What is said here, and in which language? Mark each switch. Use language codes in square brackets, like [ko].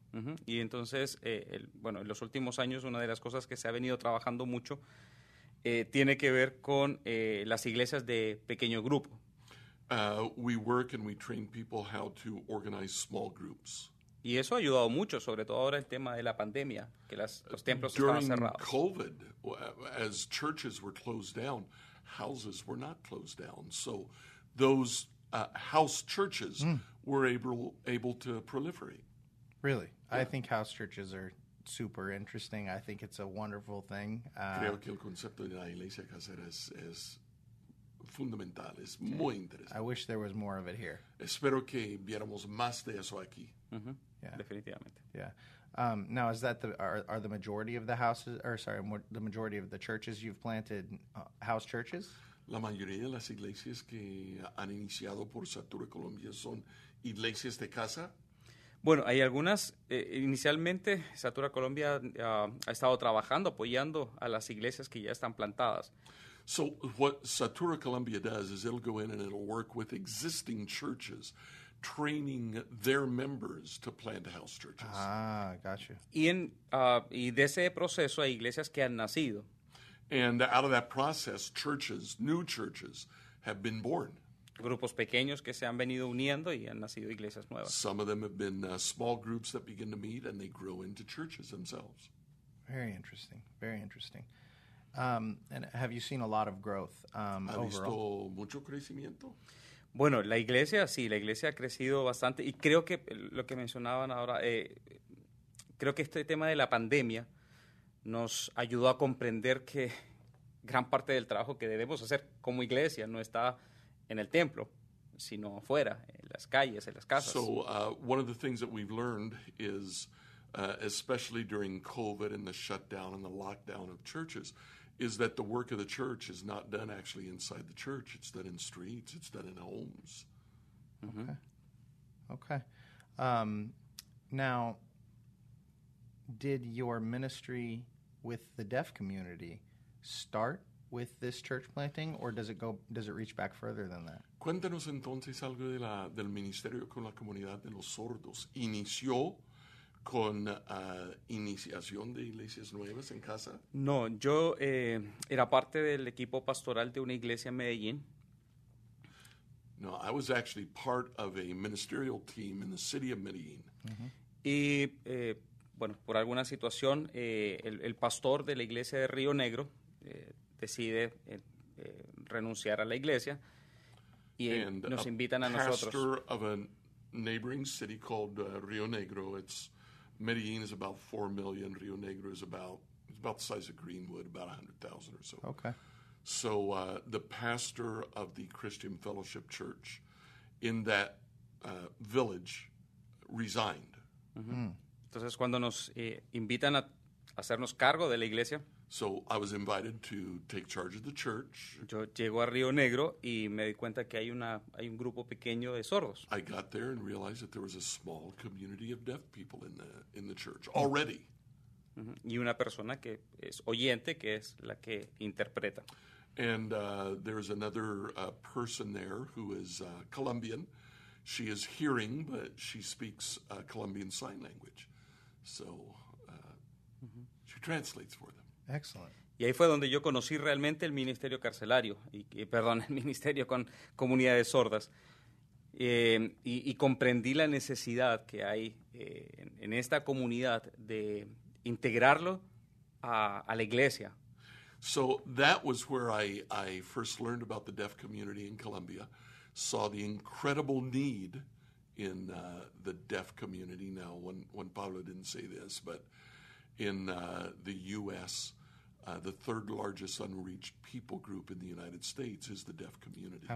[es] Uh-huh. Y entonces, en los últimos años, una de las cosas que se ha venido trabajando mucho tiene que ver con las iglesias de pequeño grupo. [en] We work and we train people how to organize small groups. [es] Y eso ha ayudado mucho, sobre todo ahora el tema de la pandemia, que los templos estaban cerrados. [en] During COVID, as churches were closed down, houses were not closed down. So those house churches were able to proliferate. Really? Yeah. I think house churches are super interesting. I think it's a wonderful thing. [es] Creo que el concepto de la iglesia casera es fundamental. Es muy interesante. [en] I wish there was more of it here. [es] Espero que viéramos más de eso aquí. [en] Mm-hmm. Yeah. [es] Definitivamente. [en] Yeah. Now, is that are the majority of the houses, or sorry, the majority of the churches you've planted house churches? [es] La mayoría de las iglesias que han iniciado por Satura Colombia son iglesias de casa. Bueno, hay algunas. Inicialmente, Satura Colombia ha estado trabajando, apoyando a las iglesias que ya están plantadas. [en] So, what Satura Colombia does is it'll go in and it'll work with existing churches, training their members to plant house churches. Ah, gotcha. [es] Y de ese proceso hay iglesias que han nacido. [en] And out of that process, churches, new churches, have been born. [es] Grupos pequeños que se han venido uniendo y han nacido iglesias nuevas. [en] Some of them have been small groups that begin to meet and they grow into churches themselves. Very interesting. Very interesting. And have you seen a lot of growth [es] overall? ¿Ha visto mucho crecimiento? Bueno, la iglesia, sí, la iglesia ha crecido bastante. Y creo que lo que mencionaban ahora, creo que este tema de la pandemia nos ayudó a comprender que gran parte del trabajo que debemos hacer como iglesia no está en el templo, sino afuera, en las calles, en las casas. [en] So, one of the things that we've learned is, especially during COVID and the shutdown and the lockdown of churches, is that the work of the church is not done actually inside the church. It's done in streets. It's done in homes. Mm-hmm. Okay. Now, did your ministry with the deaf community start with this church planting, or does it reach back further than that? [es] Cuéntanos entonces algo de del ministerio con la comunidad de los sordos. ¿Inició con iniciación de iglesias nuevas en casa? No, yo era parte del equipo pastoral de una iglesia en Medellín. [en] No, I was actually part of a ministerial team in the city of Medellín. [es] Uh-huh. Y, bueno, por alguna situación, el pastor de la iglesia de Río Negro decide renunciar a la iglesia y nos invitan a nosotros. [en] Pastor of a neighboring city called Río Negro, it's Medellín is about 4 million, Río Negro is about the size of Greenwood, about 100,000 or so. Okay. So the pastor of the Christian Fellowship Church in that village resigned. Mm-hmm. [es] Entonces cuando nos invitan a hacernos cargo de la iglesia. [en] So I was invited to take charge of the church. [es] Yo llego a Río Negro y me di cuenta que hay un grupo pequeño de sordos. [en] I got there and realized that there was a small community of deaf people in the church already. [es] Mm-hmm. Y una persona que es oyente, que es la que interpreta. [en] And there's another person there who is Colombian. She is hearing, but she speaks Colombian sign language. So she translates for them. Excellent. [es] Y ahí fue donde yo conocí realmente el ministerio carcelario, el ministerio con comunidades sordas, y comprendí la necesidad que hay en esta comunidad de integrarlo a la iglesia. [en] So that was where I first learned about the deaf community in Colombia, saw the incredible need in the deaf community now, when Pablo didn't say this, but in the U.S., the third largest unreached people group in the United States is the deaf community.